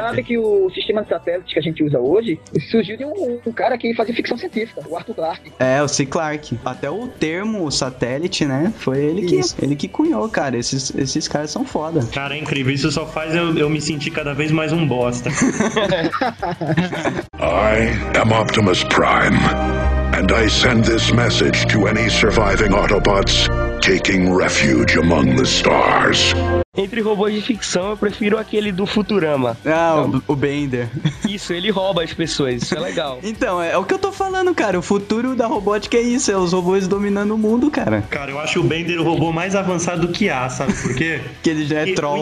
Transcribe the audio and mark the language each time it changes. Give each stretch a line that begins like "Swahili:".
Portuguese: Você sabe que o sistema satélite que a gente usa hoje, surgiu de um cara que fazia ficção científica, o Arthur Clarke. É, o C. Clarke. Até o termo satélite, né, foi ele que cunhou, cara. Esses caras são foda. Cara, é incrível. Isso só faz eu me sentir cada vez mais um bosta.
English: I am Optimus Prime, and I send this message to any surviving Autobots taking refuge among the stars.
Portuguese: Entre robôs de ficção, eu prefiro aquele do Futurama. Ah, o Bender. Isso, ele rouba as pessoas, isso é legal. Então, é o que eu tô falando, cara. O futuro da robótica é isso, é os robôs dominando o mundo, cara. Cara, eu acho o Bender o robô mais avançado que há, sabe por quê? Que ele já é troll.